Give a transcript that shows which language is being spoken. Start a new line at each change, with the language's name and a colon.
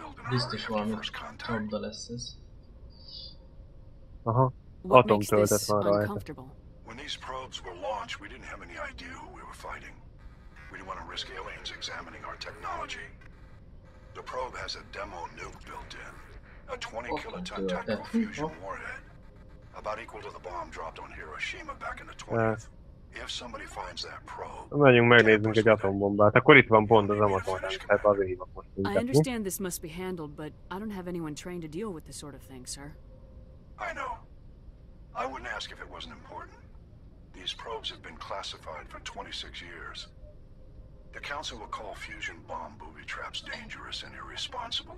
Hungarian: Biztos valami csapda lesz ez. Aha, atom töltet van rajta.
English: When these probes were launched, we didn't have any idea who we were fighting. We didn't want to risk aliens examining our technology. The probe has a demo nuke built in. A 20 kiloton technofusion warhead. About equal to the bomb dropped on Hiroshima back in the 20s. If somebody finds that probe.
Hungarian: Menjünk megnézzünk egy atombombát. Akkor itt van pont az Amazon. Hát azért hívom most.
English: I understand this must be handled, but I don't have anyone trained to deal with this sort of thing, sir. I know. I wouldn't ask if it wasn't important. These probes have been classified for 26 years. The council would call fusion bomb booby traps dangerous and irresponsible.